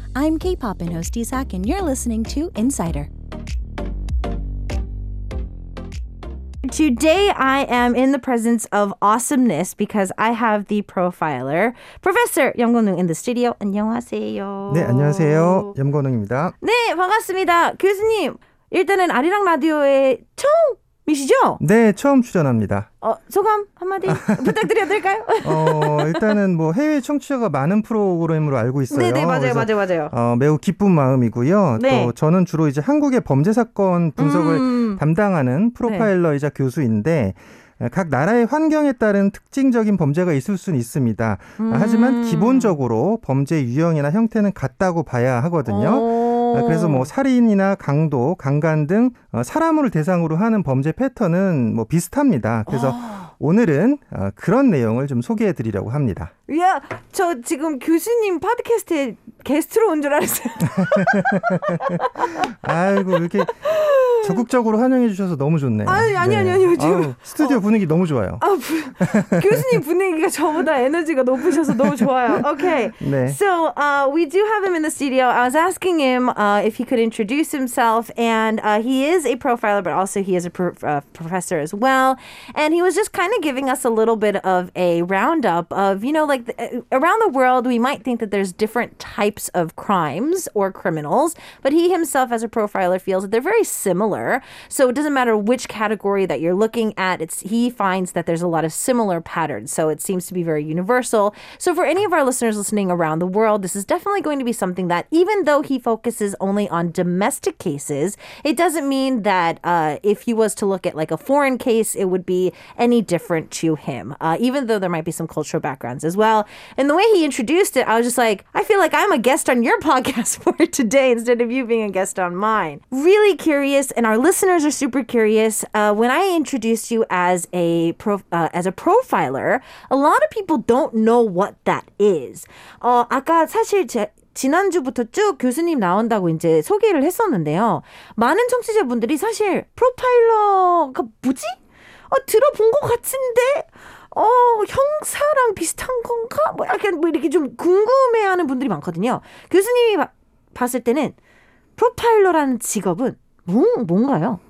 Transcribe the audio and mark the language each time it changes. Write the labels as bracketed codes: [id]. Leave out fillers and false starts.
[en] I'm K-pop and host Isak, and you're listening to Insider. Today, I am in the presence of awesomeness because I have the profiler, Professor 염건웅 in the studio. [ko] 안녕하세요. 네, 안녕하세요. 염건웅입니다. 네, 반갑습니다. 교수님, 일단은 아리랑 라디오에 처음이시죠? 네, 처음 출연합니다. 소감 한마디 부탁드려도 될까요? 일단은 뭐 해외 청취자가 많은 프로그램으로 알고 있어요. 네, 맞아요. 매우 기쁜 마음이고요. 네. 또 저는 주로 이제 한국의 범죄 사건 분석을 담당하는 프로파일러이자 네. 교수인데 각 나라의 환경에 따른 특징적인 범죄가 있을 수는 있습니다. 하지만 기본적으로 범죄 유형이나 형태는 같다고 봐야 하거든요. 그래서 뭐 살인이나 강도, 강간 등 사람을 대상으로 하는 범죄 패턴은 뭐 비슷합니다. 그래서 오늘은 그런 내용을 좀 소개해드리려고 합니다. 야, 저 지금 교수님 팟캐스트에 게스트로 온 줄 알았어요. 아이고, 이렇게 적극적으로 환영해 주셔서 너무 좋네요. 아니요. 지금 스튜디오 분위기 너무 좋아요. 교수님 분위기가 저보다 에너지가 높으셔서 너무 좋아요. [en] Okay. [ko] 네. [en] So, we do have him in the studio. I was asking him if he could introduce himself and he is a profiler but also he is a professor as well. And he was just kind of giving us a little bit of a roundup of, you know, like around the world we might think that there's different types of crimes or criminals, but he himself as a profiler feels that they're very similar. So it doesn't matter which category that you're looking at, he finds that there's a lot of similar patterns. So it seems to be very universal. So for any of our listeners listening around the world, this is definitely going to be something that even though he focuses only on domestic cases, it doesn't mean that if he was to look at like a foreign case, it would be any different to him, even though there might be some cultural backgrounds as well. And the way he introduced it, I was just like, I feel like I'm a guest on your podcast for today instead of you being a guest on mine. Really curious, and our listeners are super curious. When I introduced you as a profiler, a lot of people don't know what that is. [ko] 아까 사실 지난주부터 쭉 교수님 나온다고 이제 소개를 했었는데요. 많은 청취자분들이 사실 프로파일러가 뭐지? 들어본 것 같은데 형사랑 비슷한 건가? 뭐 약간 뭐 이렇게 좀 궁금해하는 분들이 많거든요. 교수님이 봤을 때는 프로파일러라는 직업은 뭔가요?